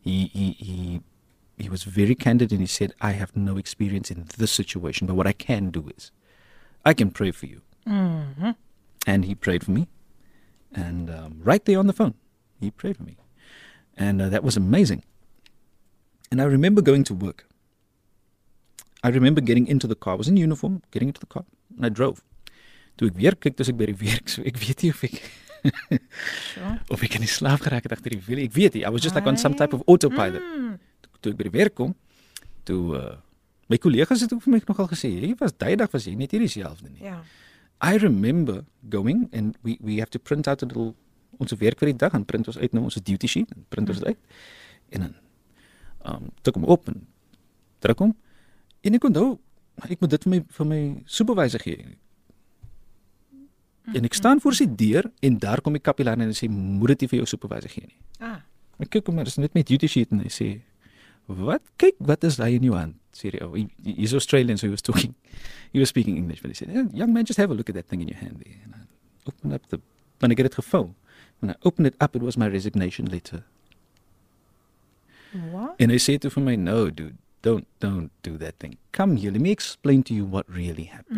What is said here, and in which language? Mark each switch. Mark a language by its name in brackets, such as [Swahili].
[English] He was very candid and he said, "I have no experience in this situation, but what I can do is I can pray for you." Mm-hmm. And he prayed for me. And right there on the phone, he prayed for me. And that was amazing. And I remember going to work. I remember getting into the car. I was in uniform, getting into the car. And I drove. [Afrikaans] Toe ek weer kyk, toe ek by die werk, so ek weet nie of ek... Sure. Of ek in die slaap geraak het agter die wiele. Ek weet nie. [English] I was just like on some type of autopilot. [Afrikaans] Toe ek by die werk kom, toe... my collega's het ook vir my nogal gesê, "Hey, was jy net hier dieselfde nie." Yeah. [English] I remember going, and we have to print out a little... [Afrikaans] Ons werk vir die dag, en print ons uit nou ons duty sheet, en print ons uit. En dan... tik hom op, en druk hom. En ek onthou, ek moet dit vir my supervisor gee. En ek staan voor sy deur, en daar kom die kapelaan en hy sê, "Moet dit nie vir jou supervisor gee nie." Ah. Ek kyk hom, maar dis net met duty sheet, en hy sê, "Wat, kyk, wat is daar in jou hand?" Sê die ou, [English] he's Australian, so he was speaking English, but he said, "Young man, just have a look at that thing in your hand." And I open up the, when I get it gevul, when I open it up, it was my resignation letter. What? And [Afrikaans] hy sê toe vir my, [English] "No, dude, don't do that thing. Come here, let me explain to you what really happened."